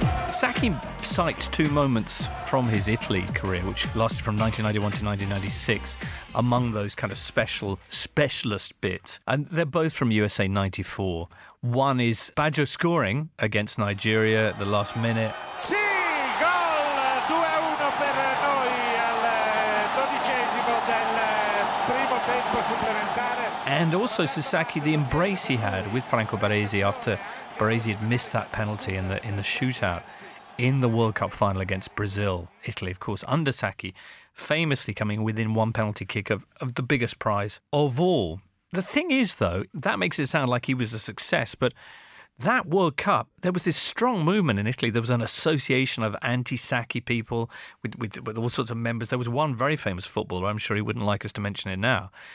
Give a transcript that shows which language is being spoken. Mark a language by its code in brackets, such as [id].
[en] Sacchi cites 2 moments from his Italy career, which lasted from 1991 to 1996, among those kind of specialist bits. And they're both from USA 94. One is Baggio scoring against Nigeria at the last minute. [it] Sì, gol 2-1 per noi al dodicesimo del primo tempo supplementare. [en] And also Sacchi, the embrace he had with Franco Baresi after Baresi had missed that penalty in the shootout in the World Cup final against Brazil, Italy, of course, under Sacchi, famously coming within 1 penalty kick of the biggest prize of all. The thing is, though, that makes it sound like he was a success, but that World Cup, there was this strong movement in Italy. There was an association of anti-Sacchi people with all sorts of members. There was one very famous footballer, I'm sure he wouldn't like us to mention it now,